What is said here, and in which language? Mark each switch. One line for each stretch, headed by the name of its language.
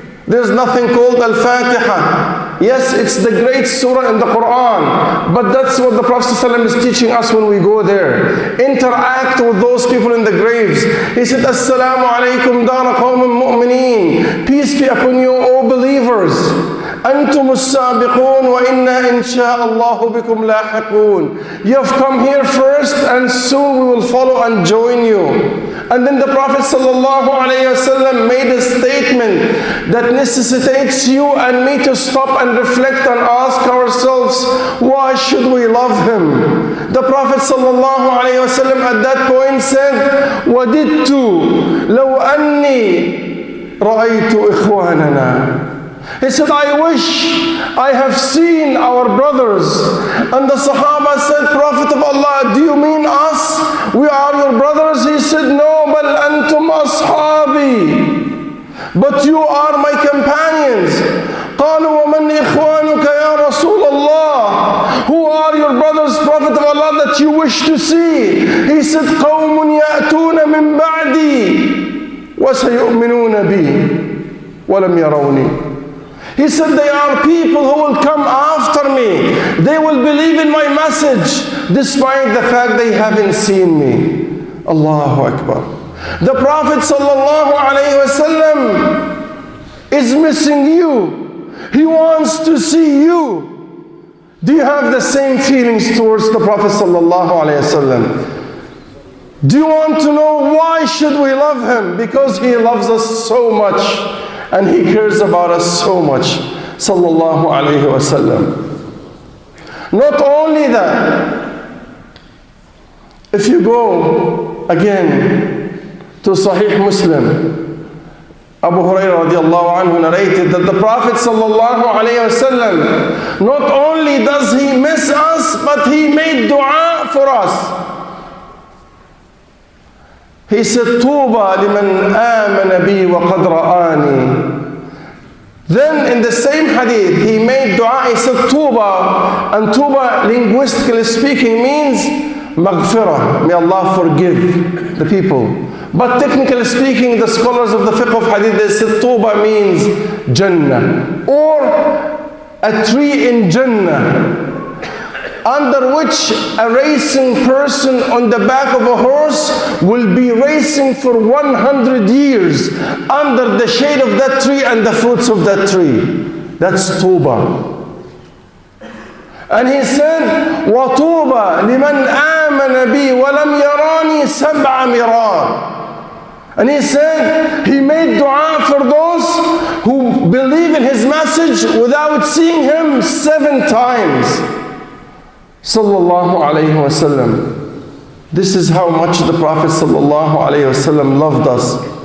English: There's nothing called Al-Fatiha. Yes, it's the great surah in the Quran. But that's what the Prophet ﷺ is teaching us when we go there. Interact with those people in the graves. He said,
Arabic: "Assalamu alaykum dara qawmin mu'mineen.
English: Peace be upon you, O believers.
Arabic: أنتم السابقون وإنا إن شاء الله بكم لاحقون."
English: You have come here first and soon we will follow and join you. And then the Prophet sallallahu alayhi wasallam made a statement that necessitates you and me to stop and reflect and ask ourselves, why should we love him? The Prophet sallallahu alayhi wasallam at that point said,
Arabic: "وَدِدْتُ لَوْ أَنِّي رَأَيْتُ إِخْوَانَنَا."
English: He said, "I wish I have seen our brothers." And the Sahaba said, "Prophet of Allah, do you mean us? We are your brothers?" He said, "No,
Arabic: bal antum ashabi.
English: But you are my companions."
Arabic: قالوا ومن إخوانك يا رسول الله.
English: Who are your brothers, Prophet of Allah, that you wish to see? He said,
Arabic: "قوم يأتون من بعدي وسيؤمنون بي ولم يروني."
English: He said, "They are people who will come after me. They will believe in my message despite the fact they haven't seen me." Allahu Akbar. The Prophet sallallahu alayhi wasallam is missing you. He wants to see you. Do you have the same feelings towards the Prophet sallallahu alayhi wasallam? Do you want to know why should we love him? Because he loves us so much. And he cares about us so much, sallallahu alayhi wa sallam. Not only that, if you go again to Sahih Muslim, Abu Hurairah radiallahu anhu narrated that the Prophet sallallahu alayhi wa sallam, not only does he miss us, but he made dua for us. He said,
Arabic: "طُوبَى لِمَنْ آمَنَ بِي وَقَدْ رَآنِي."
English: Then in the same hadith, he made dua, he said, "طُوبَى." And "طُوبَى," linguistically speaking, means "مَغْفِرَة." May Allah forgive the people. But technically speaking, the scholars of the fiqh of hadith, they said, "طُوبَى" means "Jannah." Or a tree in Jannah, under which a racing person on the back of a horse will be racing for 100 years under the shade of that tree and the fruits of that tree. That's Tuba. And he said,
Arabic: "وَطُوبَى لِمَنْ آمَنَ بِي وَلَمْ يَرَانِي سَبْعَ مِرَانِ."
English: And he said, he made dua for those who believe in his message without seeing him seven times. Sallallahu alayhi wa sallam. This is how much the Prophet sallallahu alayhi wa sallam loved us.